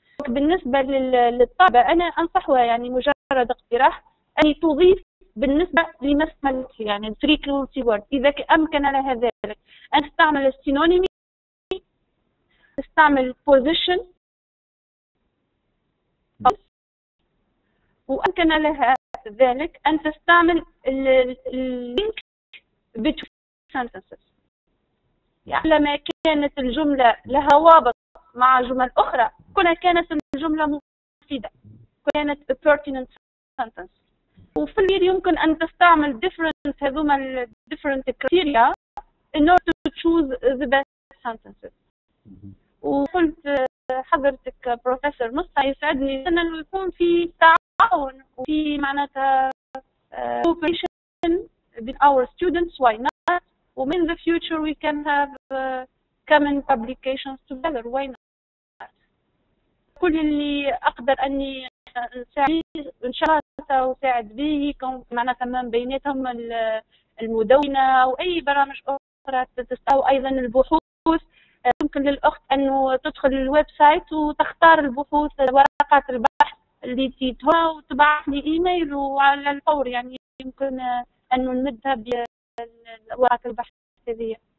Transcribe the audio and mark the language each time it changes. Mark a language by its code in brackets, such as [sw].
[ar] بالنسبة للطلبة أنا أنصحها، يعني مجرد اقتراح، أن تضيف بالنسبة لما استعملت، يعني [en] frequency word [ar] إذا أمكن لها ذلك، أن تستعمل synonymy، تستعمل position، وأمكن لها ذلك أن تستعمل [en] link between sentences. [ar] يعني لما كانت الجملة لها وابط مع جمل أخرى كنا كانت الجملة مفيدة، كانت [en] a pertinent sentence. [ar] وفي الأخير يمكن أن تستعمل [en] different [ar] هذوما [en] different criteria in order to choose the best sentences. [ar] وقلت حضرتك بروفيسور مصطفى يسعدني أن يكون في تعاون وفي معناتها [en] cooperation with our students. Why not? And in the future we can have common publications together. Why not? [ar] كل اللي أقدر أني إن شاء الله سأساعد به، معناتها من بيناتهم المدونة وأي برامج أخرى تستعمل، أيضا البحوث يمكن للأخت أن تدخل الويب سايت وتختار البحوث ورقات البحث اللي تيتها وتبعث لي إيميل، وعلى الفور يعني يمكن أن نمدها بورقات البحث هذه.